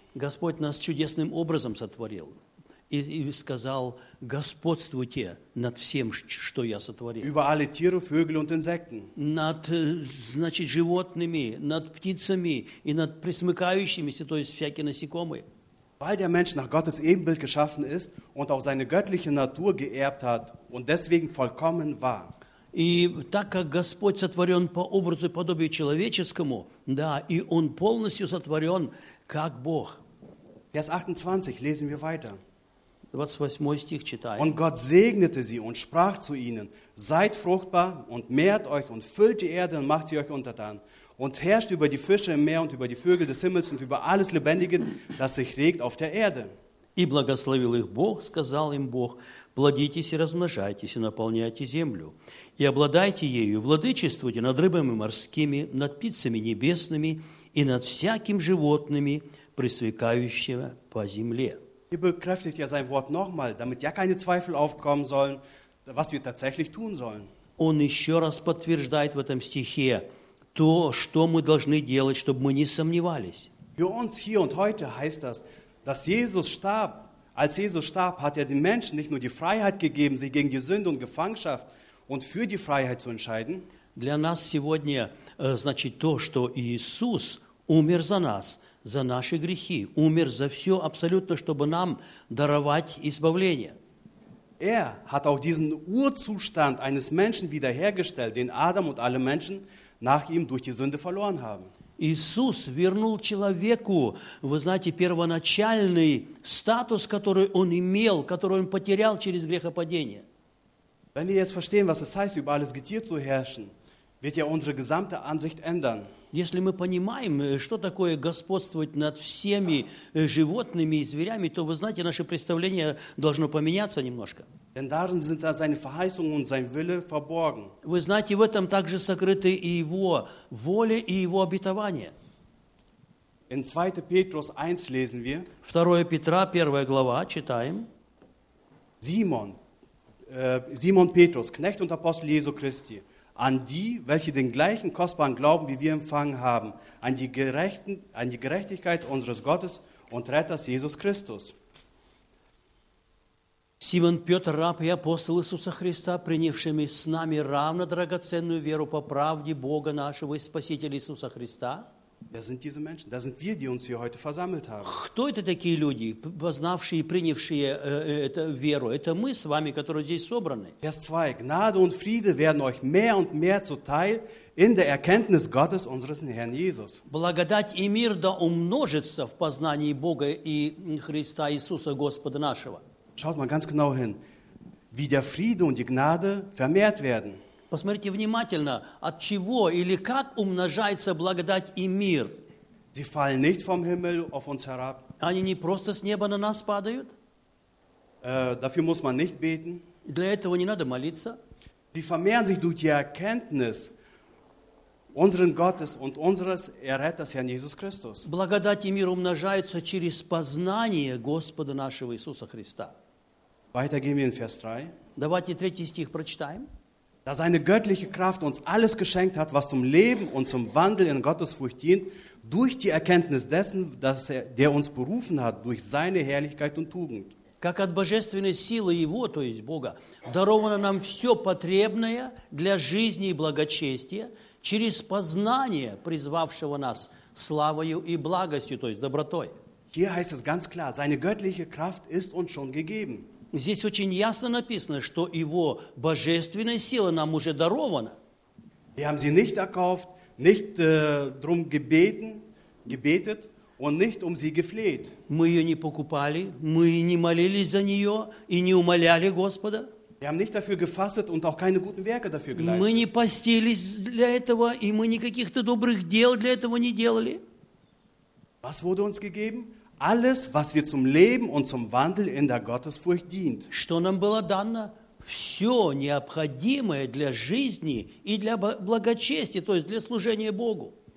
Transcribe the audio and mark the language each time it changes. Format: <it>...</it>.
<ru>Господь нас чудесным образом сотворил. И сказал: господствуйте над всем, что я сотворил.</ru> <de>Über alle Tiere, Vögel und Insekten.</de> <ru>Над, значит, животными, над птицами и над пресмыкающимися, то есть всякие насекомые.</ru> <de>Weil der Mensch nach Gottes Ebenbild geschaffen ist und auch seine göttliche Natur geerbt hat und deswegen vollkommen war.</de> <ru>И так как Господь сотворен по образу и подобию человеческому, да, и Он полностью сотворен как Бог.</ru> <de>Vers 28 lesen wir weiter.</de> <ru>28 стих читаем.</ru> <de>Und Gott segnete sie und sprach zu ihnen: Seid fruchtbar und mehrt euch und füllt die Erde und macht sie euch untertan. Und herrscht über die Fische im Meer und über die Vögel des Himmels und über alles Lebendige, das sich regt auf der Erde.</de> <ru>И благословил их Бог, сказал им Бог: Плодитесь и размножайтесь, и наполняйте землю, и обладайте ею, владычествуйте над рыбами морскими, над птицами небесными и над всяким животными, пресвякающими по земле.</ru> <de>И bekräftigt ja sein Wort nochmal, damit ja keine Zweifel aufkommen sollen, was wir tatsächlich tun sollen.</de> <ru>Он еще раз подтверждает в этом стихе то, что мы должны делать, чтобы мы не сомневались.</ru> <de>Für uns hier und heute heißt das, dass Jesus starb. Als Jesus starb, hat den Menschen nicht nur die Freiheit gegeben, sich gegen die Sünde und Gefangenschaft und für die Freiheit zu entscheiden.</de> <ru>Для нас сегодня, значит, то, что Иисус умер за нас, за наши грехи, умер за все абсолютно, чтобы нам даровать избавление.</ru> <de>Er hat auch diesen Urzustand eines Menschen wiederhergestellt, den Adam und alle Menschen nach ihm durch die Sünde verloren haben.</de> <ru>Иисус вернул человеку, вы знаете, первоначальный статус, который он имел, который он потерял через грехопадение.</ru> <de>Wenn wir jetzt verstehen, was es heißt, über alles Getier zu herrschen, wird ja unsere gesamte Ansicht ändern.</de> <ru>Если мы понимаем, что такое господствовать над всеми животными и зверями, то, вы знаете, наше представление должно поменяться немножко.</ru> <de>Denn darin sind da seine Verheißungen und sein Wille verborgen.</de> <ru>Вы знаете, в этом также сокрыты и его воля, и его обетование.</ru> <de>In 2. Petrus 1 lesen wir.</de> <ru>2. Петра, 1 глава, читаем.</ru> <de>Simon Petrus, Knecht und Apostel Jesu Christi. An die, welche den gleichen kostbaren Glauben wie wir empfangen haben, an die Gerechtigkeit unseres Gottes und Retters Jesus Christus.</de> <ru>Simon Петр, раб и апостол Иисуса Христа, принявшими с нами равно драгоценную веру по правде Бога нашего и Спасителя Иисуса Христа.</ru> <de>Das sind diese Menschen, das sind wir, die uns hier heute versammelt haben.</de> <ru>Кто это такие люди, познавшие и принявшие эту веру? Это мы с вами, которые здесь собраны.</ru> <de>Vers 2. Gnade und Friede werden euch mehr und mehr zuteil in der Erkenntnis Gottes, unseres Herrn Jesus.</de> <ru>Благодать и мир да умножится в познании Бога и Христа Иисуса Господа нашего.</ru> <de>Schaut mal ganz genau hin, wie der Friede und die Gnade vermehrt werden.</de> <ru>Посмотрите внимательно, от чего или как умножается благодать и мир.</ru> <de>Sie fallen nicht vom Himmel auf uns herab.</de> <ru>Они не просто с неба на нас падают.</ru> <de>Dafür muss man nicht beten.</de> <ru>Для этого не надо молиться.</ru> <de>Sie vermehren sich durch die Erkenntnis unseren Gottes und unseres Erretters Herrn Jesus Christus.</de> <ru>Благодать и мир умножаются через познание Господа нашего Иисуса Христа.</ru> <de>Weiter gehen wir in Vers 3.</de> <ru>Давайте третий стих прочитаем.</ru> <de>Da seine göttliche Kraft uns alles geschenkt hat, was zum Leben und zum Wandel in Gottesfurcht dient, durch die Erkenntnis dessen, dass er, der uns berufen hat, durch seine Herrlichkeit und Tugend.</de> <ru>Как от божественной силы Его, то есть Бога, даровано нам все потребное для жизни и благочестия через познание призвавшего нас славою и благостью, то есть добротой.</ru> <de>Hier heißt es ganz klar, seine göttliche Kraft ist uns schon gegeben.</de> <ru>Здесь очень ясно написано, что его божественная сила нам уже дарована.</ru> <de>Wir haben sie nicht erkauft, nicht drum gebetet und nicht um sie gefleht.</de> <ru>Мы ее не покупали, мы не молились за нее и не умоляли Господа.</ru> <de>Wir haben nicht dafür gefastet und auch keine guten Werke dafür geleistet.</de> <ru>Мы не постились для этого и мы никаких-то добрых дел для этого не делали.</ru> <de>Was wurde uns gegeben? Alles, was wir zum Leben und zum Wandel in der Gottesfurcht dient.</de> <ru>Что нам было дано? Все необходимое для жизни и для благочестия, то есть для служения Богу.</ru>